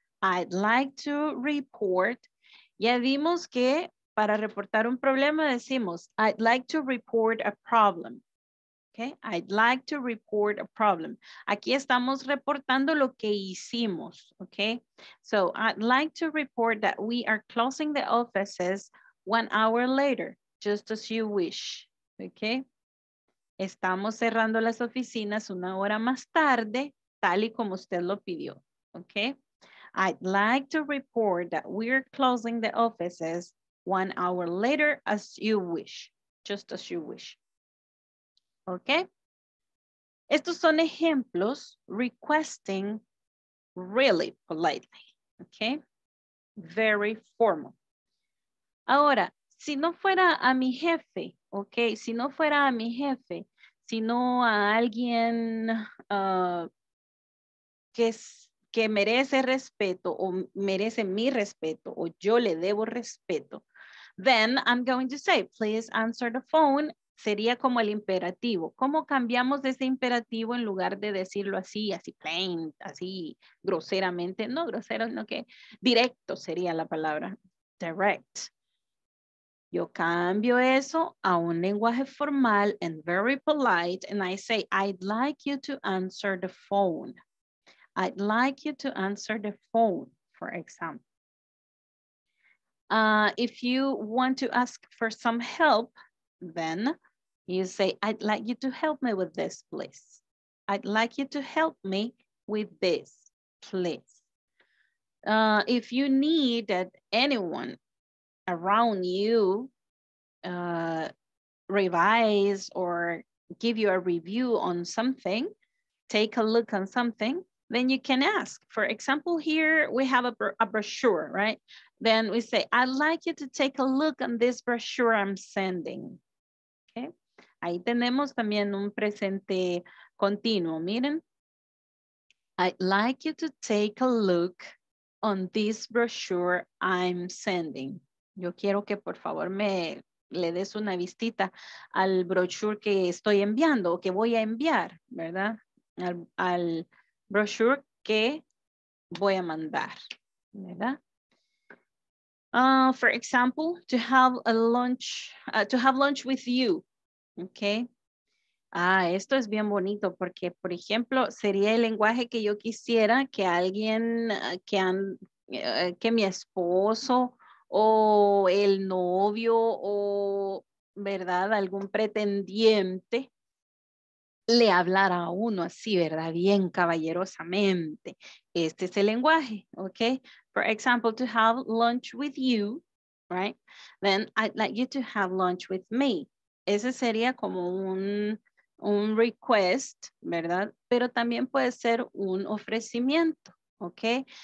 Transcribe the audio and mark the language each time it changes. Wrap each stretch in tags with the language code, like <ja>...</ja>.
<en>I'd like to report.</en> <es>Ya vimos que para reportar un problema decimos,</es> <en>I'd like to report a problem, okay? I'd like to report a problem.</en> <es>Aquí estamos reportando lo que hicimos,</es> <en>okay? So I'd like to report that we are closing the offices 1 hour later, just as you wish, okay?</en> <es>Estamos cerrando las oficinas 1 hora más tarde, tal y como usted lo pidió, okay?</es> <en>I'd like to report that we're closing the offices 1 hour later as you wish, just as you wish, okay?</en> <es>Estos son ejemplos</es> <en>requesting really politely,</en> <es>okay?</es> <en>Very formal.</en> <es>Ahora, si no fuera a mi jefe, okay? Si no fuera a mi jefe, sino a alguien que merece respeto o merece mi respeto o yo le debo respeto,</es> <en>then I'm going to say, please answer the phone.</en> <es>Sería como el imperativo. ¿Cómo cambiamos de ese imperativo en lugar de decirlo así, así plain, así groseramente? No grosero, sino que directo sería la palabra.</es> <en>Direct.</en> <es>Yo cambio eso a un lenguaje formal</es> <en>and very polite, and I say, I'd like you to answer the phone. I'd like you to answer the phone, for example. If you want to ask for some help, then you say, I'd like you to help me with this, please. I'd like you to help me with this, please. If you need that anyone around you revise or give you a review on something, take a look on something, then you can ask. For example, here we have a brochure, right? Then we say, I'd like you to take a look on this brochure I'm sending. Okay.</en> <es>Ahí tenemos también un presente continuo. Miren.</es> <en>I'd like you to take a look on this brochure I'm sending.</en> <es>Yo quiero que por favor me le des una vistita al brochure que estoy enviando o que voy a enviar, ¿verdad? Al brochure que voy a mandar, ¿verdad?</es> <en>For example, to have lunch with you, okay?</en> <es>Ah, esto es bien bonito porque, por ejemplo, sería el lenguaje que yo quisiera que alguien, que mi esposo o el novio o, ¿verdad?, algún pretendiente le hablara a uno así, ¿verdad?, bien caballerosamente. Este es el lenguaje, okay?</es> <en>For example, to have lunch with you, right? Then I'd like you to have lunch with me.</en> <es>Ese sería como un request, ¿verdad? Pero también puede ser un ofrecimiento, okay?</es>